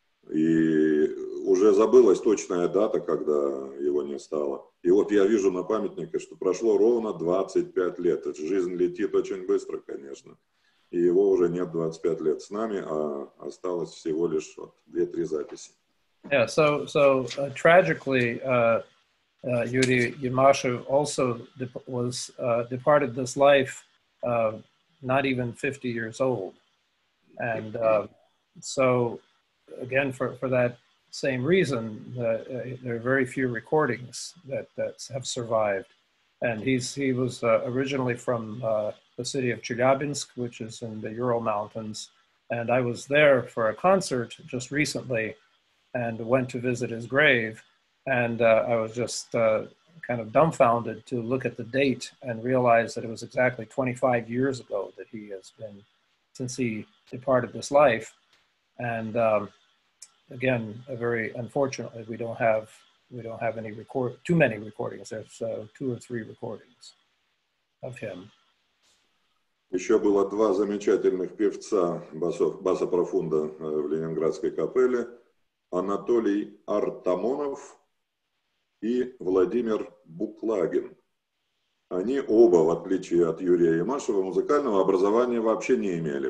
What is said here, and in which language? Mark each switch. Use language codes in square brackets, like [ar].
[ru] И уже забылась точная дата, когда его не стало. И вот я вижу на памятнике, что прошло ровно 25 лет. Жизнь летит очень быстро, конечно. И его уже нет 25 лет с нами, а осталось всего лишь вот 2-3 записи. [en] Yeah, so tragically, Yuri Yamashev also departed this life not even 50 years old. And so, again, for that same reason, there are very few recordings that have survived. And he was originally from the city of Chelyabinsk, which is in the Ural Mountains. And I was there for a concert just recently and went to visit his grave. And I was just kind of dumbfounded to look at the date and realize that it was exactly 25 years ago that he has been, since he departed this life. And again, unfortunately, we don't have any too many recordings. There's two or three recordings of him. [ru] Еще было два замечательных певца баса профунда в Ленинградской капелле. Анатолий Артамонов и Владимир Буклагин. Они оба, в отличие от Юрия Ямашева, музыкального образования вообще не имели.